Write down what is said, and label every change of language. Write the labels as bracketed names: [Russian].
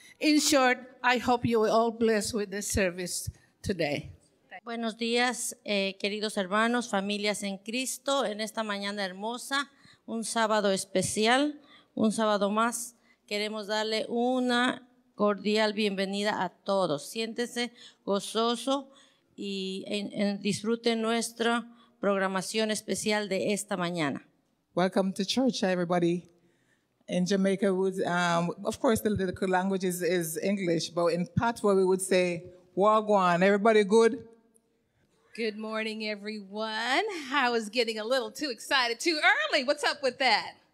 [English] In short, I hope you are all blessed with this service today. [Spanish] Buenos días, queridos hermanos, familias en Cristo, en esta mañana hermosa, un sábado especial, un sábado más. Queremos darle una cordial bienvenida a todos. Siéntese gozoso y disfrute nuestra programación especial de esta mañana. [English] Welcome to church, everybody. In Jamaica, of course, the language is English, but in part where we would say, Wagwan, everybody good? Good morning, everyone. I was getting a little too excited too early. What's up with that?